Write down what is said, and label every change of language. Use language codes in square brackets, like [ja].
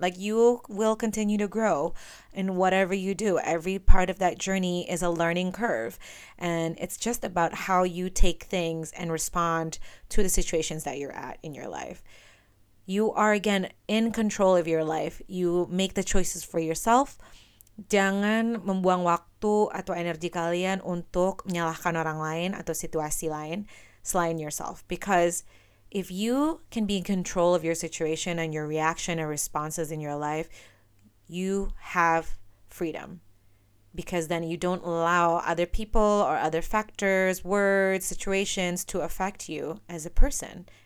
[en] Like, you will continue to grow in whatever you do. Every part of that journey is a learning curve, and it's just about how you take things and respond to the situations that you're at in your life. You are, again, in control of your life. You make the choices for yourself. [id] Jangan membuang waktu atau energi kalian untuk menyalahkan orang lain atau situasi lain selain yourself. [en] Because if you can be in control of your situation and your reaction and responses in your life, you have freedom. Because then you don't allow other people or other factors, words, situations to affect you as a person.